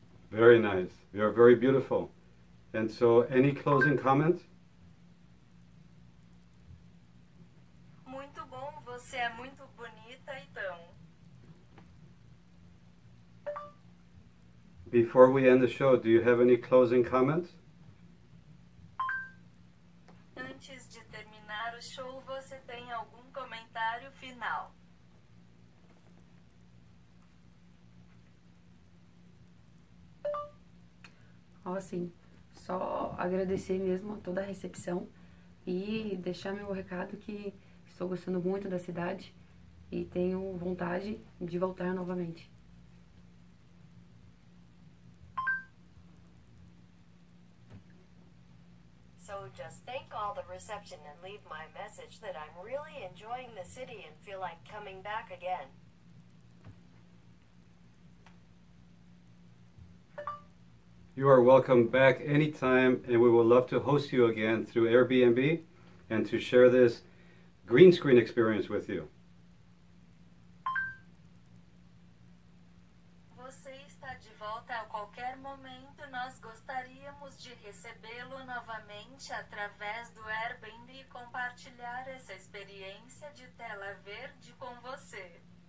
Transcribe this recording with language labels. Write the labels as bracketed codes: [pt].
[en] Very nice. You're very beautiful. And so, any closing comments? [pt] Muito bom, você é muito bonita, então. [en] Before we end the show, do you have any closing comments? [pt] Antes de terminar o show, você tem algum comentário final? Sim. Só agradecer mesmo a toda a recepção e deixar meu recado que estou gostando muito da cidade e tenho vontade de voltar novamente. [en] Just thank all the reception and leave my message that I'm really enjoying the city and feel like coming back again. You are welcome back anytime, and we would love to host you again through Airbnb and to share this green screen experience with you. [pt] Você está de volta a qualquer momento, nós gostaríamos de recebê-lo novamente através do Airbnb e compartilhar essa experiência de tela verde com você.